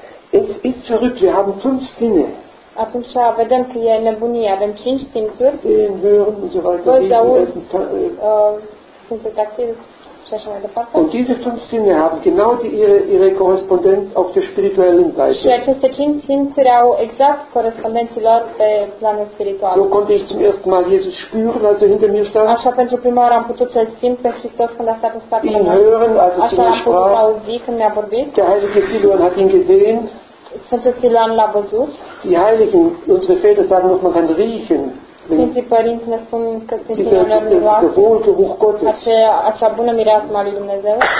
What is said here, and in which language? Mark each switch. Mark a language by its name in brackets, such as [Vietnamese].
[German] Es ist verrückt, wir haben fünf Sinne. [Romanian] Atunci vedem că e nebunie, avem cinci simțuri. [German] Sehen, hören und so weiter. [Romanian] Văd, auzi, [German] und diese fünf Sinne haben genau die, ihre Korrespondenz auf der spirituellen Seite. So konnte ich zum ersten Mal Jesus spüren, als er hinter mir stand. [Romanian] Așa, pentru prima oară am putut să-l simt pe Hristos când a stat în spatele meu. [German] Ihn hören, als er zu mir sprach. [Romanian] Așa am putut auzi când mi-a vorbit. [German] Der heilige Siloan hat ihn gesehen. [Romanian] Sfântul Siloan l-a văzut. [German] Die Heiligen, unsere Väter sagen noch, man kann riechen. [Romanian] Sfinții părinți ne spun că Sfinții Ionelui acea bună mireasmă a lui Dumnezeu.